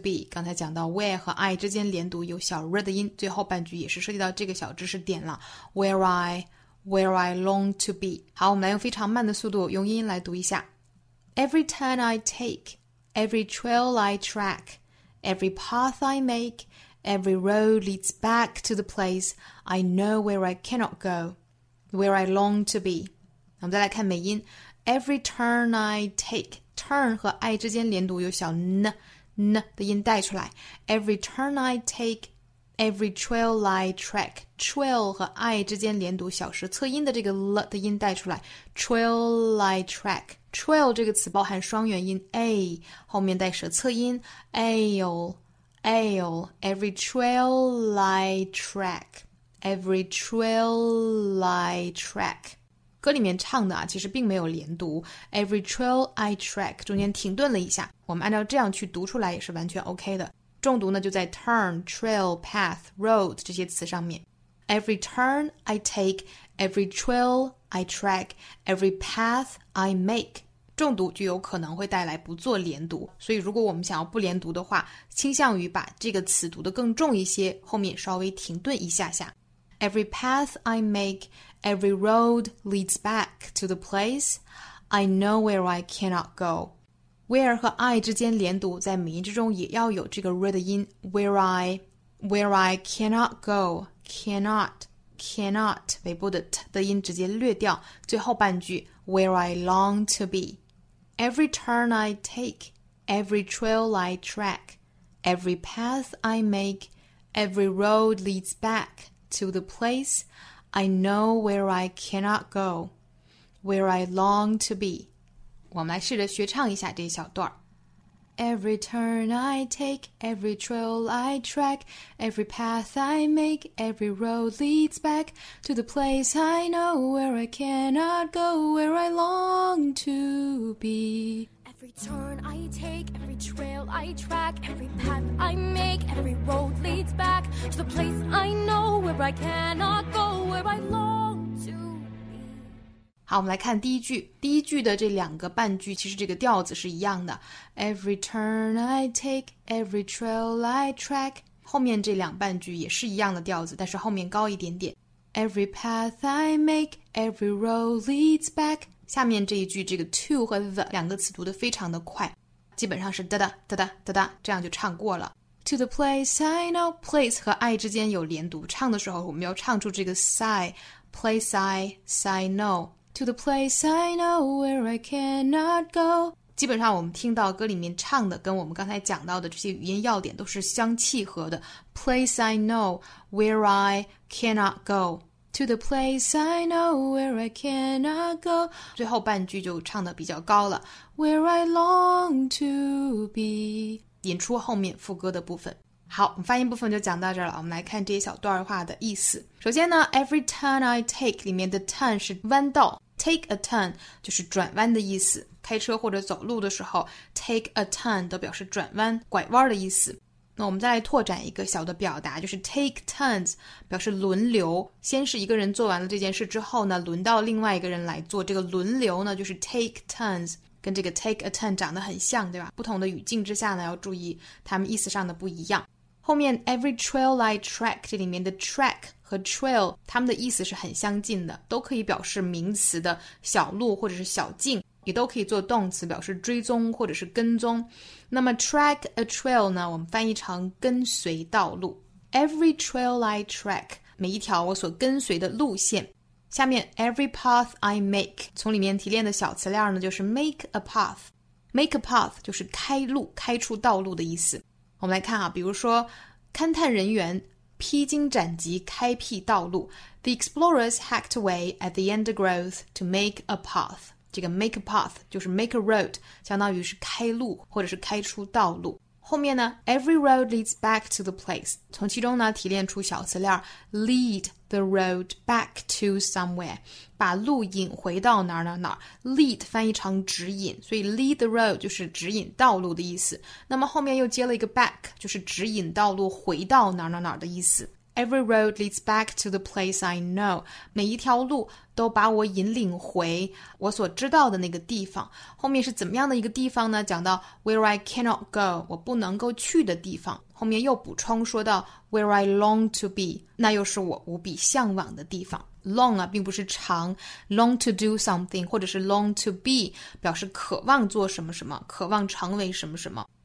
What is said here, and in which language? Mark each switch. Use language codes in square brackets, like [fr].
[zh] 刚才讲到 where 和 I 之间连读有小 r 的音，最后半句也是涉及到这个小知识点了 [en] where I long to be。 [zh] 好，我们来用非常慢的速度用音来读一下。 [en] Every turn I takeEvery trail I track, every path I make, every road leads back to the place I know where I cannot go, where I long to be. [zh] 我们再来看美音。 [en] Every turn I take, [zh] turn 和 I 之间连读有小 n 的音带出来。 [en] Every turn I take, every trail I track, trail [zh] 和 I 之间连读小舌侧音的这个 l 的音带出来。 [en] Trail I track. [zh] Trail 这个词包含双元音 A 后面带舌侧音 Ale [en] Every trail I track [zh] Every trail I track 歌里面唱的啊其实并没有连读 Every trail I track 中间停顿了一下，我们按照这样去读出来也是完全 OK 的，重读呢就在 turn, trail, path, road 这些词上面。 [en] every turn I take, every trail I track, every path I make. [zh] 重读就有可能会带来不做连读，所以如果我们想要不连读的话，倾向于把这个词读得更重一些，后面稍微停顿一下下。 [en] Every path I make, every road leads back to the place I know where I cannot go. [zh] Where 和 I 之间连读，在母音之中也要有这个 r 的音。 [en] Where I cannot go, cannot [zh] 尾部的 t 的音直接略掉，最后半句 [en] where I long to be. Every turn I take, every trail I track, every path I make, every road leads back. To the place I know where I cannot go, where I long to be. [zh] 我们来试着学唱一下这小段。 [en] Every turn I take, every trail I track, every path I make, every road leads back to the place I know where I cannot go, where I long to be. Every turn I take, every trail I track, every path I make, every road leads back to the place I know where I cannot go, where I long to be. [zh] 好，我们来看第一句。第一句的这两个半句其实这个调子是一样的。 [en] Every turn I take, every trail I track. [zh] 后面这两半句也是一样的调子，但是后面高一点点。 [en] Every path I make, every road leads back. [zh] 下面这一句这个 to 和 the 两个词读得非常的快，基本上是哒哒哒哒哒哒，这样就唱过了。 [en] To the place I know, place 和 I [zh] 之间有连读，唱的时候我们要唱出这个 [en] sigh, place I, sigh no. To the place I know where I cannot go. [zh] 基本上我们听到歌里面唱的跟我们刚才讲到的这些语音要点都是相契合的。 [en] Place I know where I cannot goTo the place I know where I cannot go. [zh] 最后半句就唱得比较高了。 [en] Where I long to be. [zh] 引出后面副歌的部分。好，我们发音部分就讲到这儿了。我们来看这些小段话的意思。首先呢 , [en] every turn I take [zh] 里面的 turn 是弯道。 Take a turn 就是转弯的意思。开车或者走路的时候 ,take a turn 都表示转弯、拐弯的意思。那我们再来拓展一个小的表达，就是 take turns 表示轮流，先是一个人做完了这件事之后呢，轮到另外一个人来做，这个轮流呢就是 take turns， 跟这个 take a turn 长得很像，对吧？不同的语境之下呢，要注意他们意思上的不一样。后面 every trail I track 这里面的 track 和 trail 他们的意思是很相近的，都可以表示名词的小路或者是小径，也都可以做动词表示追踪或者是跟踪。那么 track a trail 呢，我们翻译成跟随道路。 [en] Every trail I track， [zh] 每一条我所跟随的路线。下面 [en] every path I make， [zh] 从里面提炼的小词料呢就是 make a path。 make a path 就是开路，开出道路的意思。我们来看啊，比如说勘探人员披荆斩棘开辟道路。 [en] The explorers hacked away at the undergrowth to make a path。 [zh] 这个 make a path 就是 make a road， 相当于是开路或者是开出道路。后面呢 [en] every road leads back to the place， [zh] 从其中呢提炼出小词链 [en] lead the road back to somewhere， [zh] 把路引回到哪儿哪儿哪儿。 lead 翻译成指引，所以 lead the road 就是指引道路的意思。那么后面又接了一个 back， 就是指引道路回到哪儿哪儿哪儿的意思。 [en] Every road leads back to the place I know. [zh] 每一条路都把我引领回我所知道的那个地方。后面是怎么样的一个地方呢？讲到 [en] where I cannot go， [zh] 我不能够去的地方。后面又补充说到 [en] where I long to be， [zh] 那又是我无比向往的地方。 Long 啊，并不是长， long to do something 或者是 long to be， 表示渴望做什么什么，渴望成为什么什么。